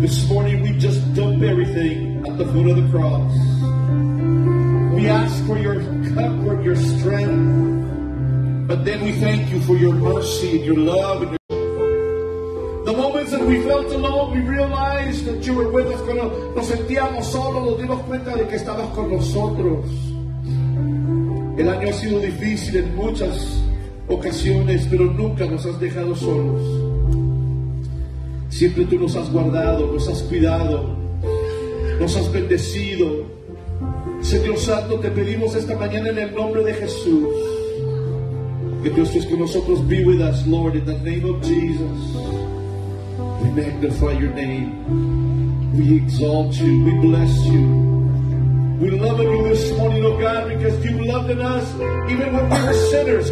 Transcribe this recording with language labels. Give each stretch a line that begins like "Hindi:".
English: This morning we just dump everything at the foot of the cross. We ask for your comfort, your strength. But then we thank you for your mercy and your love. And your... The moments that we felt alone, we realized that you were with us.
Spanish: Cuando nos sentíamos solos, nos dimos cuenta de que estabas con nosotros. El año ha sido difícil en muchas ocasiones, pero nunca nos has dejado solos. Siempre tú nos has guardado, nos has cuidado, nos has bendecido. Señor Santo, te pedimos esta mañana en el nombre de Jesús. Que Dios es con nosotros.
English: Be with us, Lord, in the name of Jesus. We magnify your name. We exalt you. We bless you. We love you this morning, oh God, because you loved us even when we were sinners.